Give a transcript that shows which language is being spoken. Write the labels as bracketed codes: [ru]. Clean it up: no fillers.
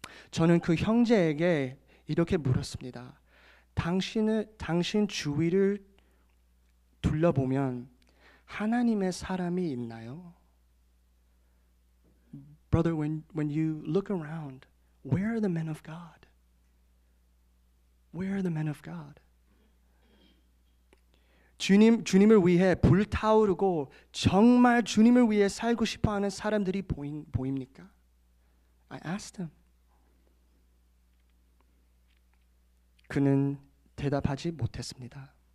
[ko] 저는 그 형제에게 이렇게 물었습니다. 당신 주위를 둘러보면 하나님의 사람이 있나요? [en] Brother, when you look around, where are the men of God? Where are the men of God? [ko] 주님을 위해 불타오르고 정말 주님을 위해 살고 싶어하는 사람들이 보입니까? [en] I asked him. [ko] 그는 대답하지 못했습니다.